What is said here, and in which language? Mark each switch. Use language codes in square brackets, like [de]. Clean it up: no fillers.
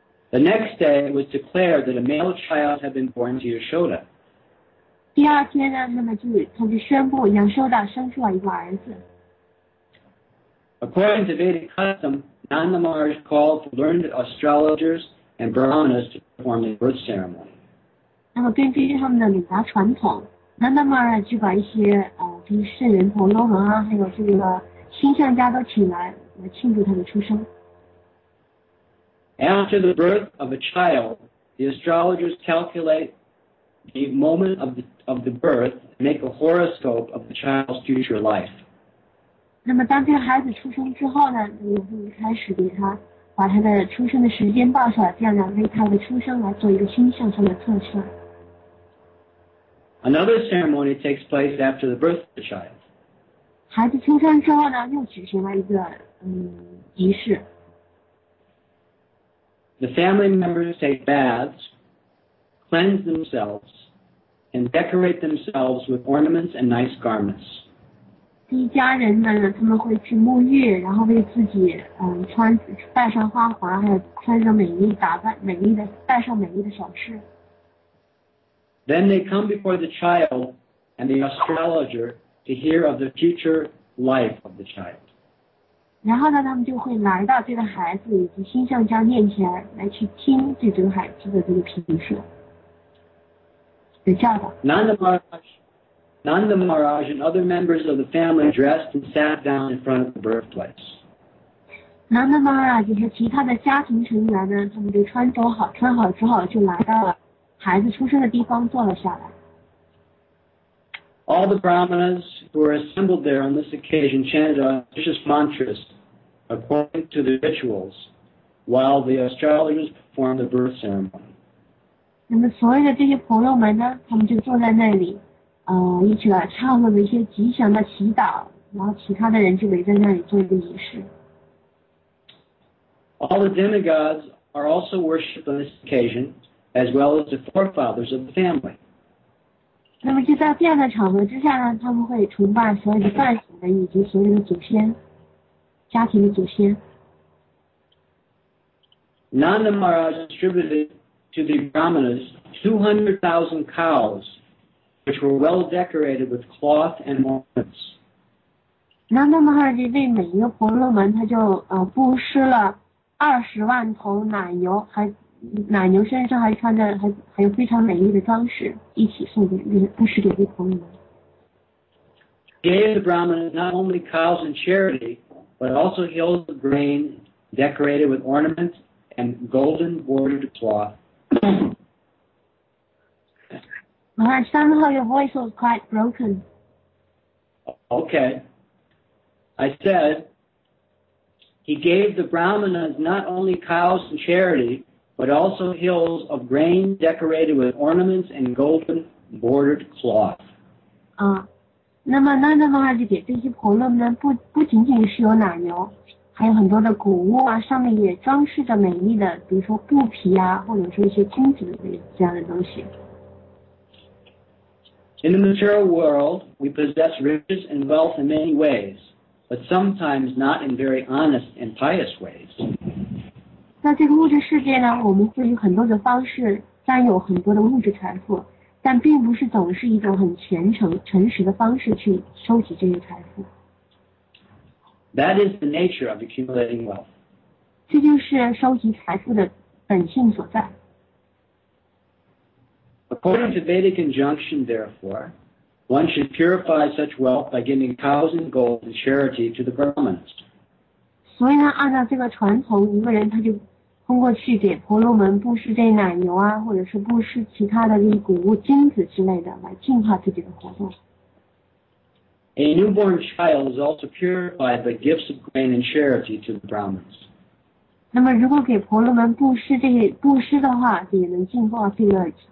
[en] The next day was declared that a male child had been born to Yashoda. [zh] 第二天呢，他就宣布 Yashoda 生出了一个儿子。 [en] According to Vedic custom, Nanda Maharaj called for learned astrologers and brahmanas to perform the birth ceremony. [zh] 那么根据他们的礼达传统。Nanda Maharaj 就把一些就是圣人婆罗门啊，还有这个星象家都请来庆祝他的出生。 [en] After the birth of a child, the astrologers calculate the moment of the birth and make a horoscope of the child's future life. [zh] 那么当这个孩子出生之后呢，我们就开始给他把他的出生的时间报出来，这样呢，为他的出生来做一个星象上的测算。 [en] Another ceremony takes place after the birth of the child. [zh] 孩子出生之后呢，又举行了一个仪式。 [en] The family members take baths, cleanse themselves, and decorate themselves with ornaments and nice garments. [zh] 一家人们呢，他们会去沐浴，然后为自己穿戴上花环，还有穿上美丽打扮美丽的戴上美丽的首饰。 [en] Then they come before the child and the astrologer to hear of the future life of the child. [zh] 然后呢，他们就会来到这个孩子以及星象家面前，来去听对这个孩子的这个评述，是这样的。 [en] Nanda Maharaj and other members of the family dressed and sat down in front of the birthplace. [zh] Nanda Maharaj and 其他的家庭成员呢，他们就穿好之后就来到了孩子出生的地方坐了下来。 [en] All the brahmanas who were assembled there on this occasion chanted auspicious mantras according to the rituals, while the astrologers performed the birth ceremony. [zh] 那么所有的这些朋友们呢，他们就坐在那里。一起来唱了一些吉祥的祈祷，然后其他的人就围在那里做一个仪式。 [en] All the demigods are also worshipped on this occasion, as well as the forefathers of the family. [zh] 那么就在这样的场合之下呢，他们会崇拜所有的伴随的以及所有的祖先，家庭的祖先。 [en] Nanda Maharaj distributed to the brahmanas 200,000 cows. Which were well decorated with cloth and ornaments. [zh] Nanda Maharaj 为每一个婆罗门，他就布施了200,000头奶牛，还奶牛身上还穿着还有非常美丽的装饰，一起送给布施给这婆罗门。 [en] Gave the Brahmanas not only cows and charity, but also hills of grain decorated with ornaments and golden bordered cloth. [zh] 好像 [en] somehow your voice was quite broken. Okay. I said, he gave the brahmanas not only cows and charity, but also hills of grain decorated with ornaments and golden bordered cloth. [zh] 那么那的话就给这些婆罗门不仅仅是有奶牛，还有很多的谷物啊，上面也装饰着美丽的，比如说布匹啊，或者说一些金子这样的东西。 [en] In the material world, we possess riches and wealth in many ways, but sometimes not in very honest and pious ways. [zh] 在这个物质世界呢，我们会以很多的方式占有很多的物质财富，但并不是总是一种很虔诚、诚实的方式去收集这些财富。 [en] That is the nature of accumulating wealth. [zh] 这就是收集财富的本性所在。 [en] According to Vedic injunction, therefore, one should purify such wealth by giving cows and gold in charity to the Brahmanas. [zh] 所以呢，按照这个传统，一个人他就通过去给婆罗门布施这奶牛啊，或者是布施其他的这些谷物、金子之类的，来净化自己的活动。 [en] A newborn child is also purified by gifts of grain and charity to the Brahmanas. [zh] 那么，如果给婆罗门布施这些布施的话，也能净化这个。